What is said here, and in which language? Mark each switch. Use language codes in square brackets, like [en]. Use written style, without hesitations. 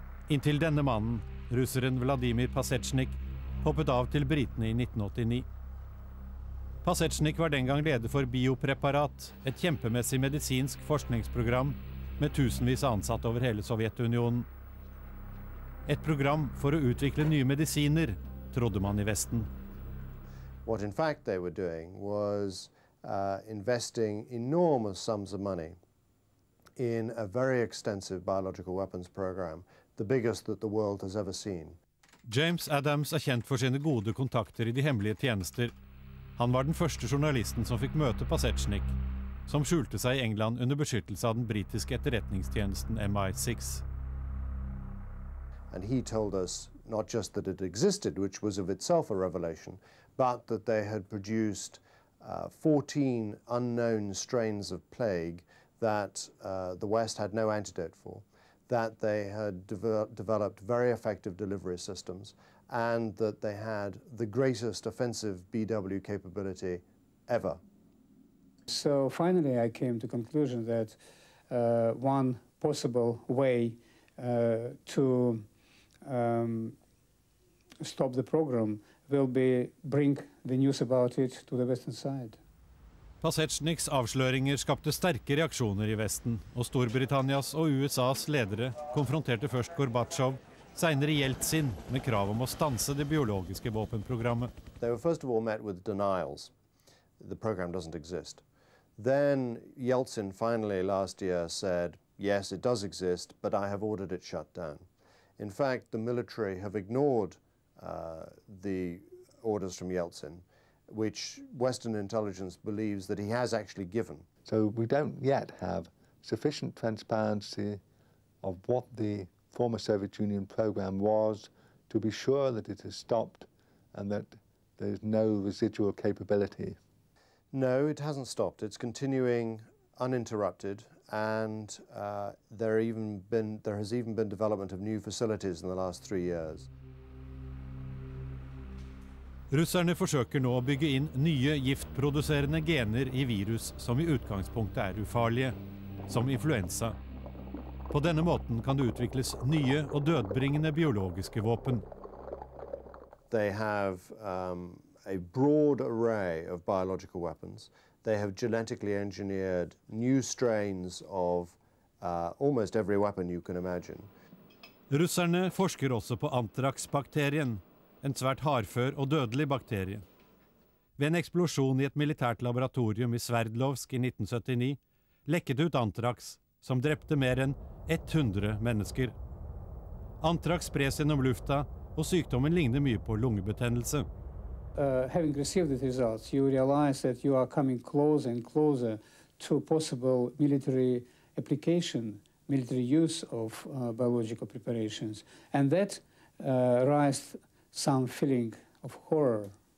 [no] Inntil denne mannen, russeren Vladimir Pasechnik, hoppet av til britene I 1989. Pasechnik var den gang leder for biopreparat, et kjempemessig medisinsk forskningsprogram med tusenvis ansatte over hele Sovjetunionen. Et program for å utvikle nye medisiner, trodde man I Vesten. [en] What in fact they were doing was investing enormous sums of money in a very extensive biological weapons program, the biggest that the world has ever seen. [no] James Adams kjent for sine gode kontakter I de hemmelige tjenester. Han var den første journalisten som fikk møte Pasechnik, som skjulte seg I England under beskyttelse av den britiske etterretningstjenesten MI6. [en] And he told us not just that it existed, which was of itself a revelation, but that they had produced 14 unknown strains of plague that the West had no antidote for, that they had developed very effective delivery systems, and that they had the greatest offensive BW capability ever. So finally I came to the conclusion that one possible way to stop the program will be bring the news about it to the Western side. [no] Pasechniks avsløringer skapte sterke reaksjoner I Vesten, og Storbritannias og USAs ledere konfronterte først Gorbachev, senere Jeltsin, med krav om å stanse det biologiske våpenprogrammet. [en] They were first of all met with denials. The program doesn't exist. Then Yeltsin finally last year said, yes, it does exist, but I have ordered it shut down. In fact, the military have ignored the orders from Yeltsin, which Western intelligence believes that he has actually given. So we don't yet have sufficient transparency of what the former Soviet Union program was to be sure that it has stopped and that there's no residual capability. No, it hasn't stopped. It's continuing uninterrupted, and there has even been development of new facilities in the last 3 years. [no] Russerne forsøker nå å bygge inn nye giftproduserende gener I virus som I utgangspunktet ufarlige, som influensa. På denne måten kan det utvikles nye og dødbringende biologiske våpen. [en] They have a broad array of biological weapons. They have genetically engineered new strains of almost every weapon you can imagine. [no] Russerne forsker også på antraksbakterien, en svært hardfør og dødelig bakterie. Ved en eksplosjon I et militært laboratorium I Sverdlovsk I 1979 lekket ut antraks, som drepte mer enn 100 mennesker. Antraks spres gjennom lufta, og sykdommen ligner mye på lungebetennelse. [en] having received the results, you realize that you are coming closer and closer to possible military application, military use of biological preparations. And that raised some feeling of horror.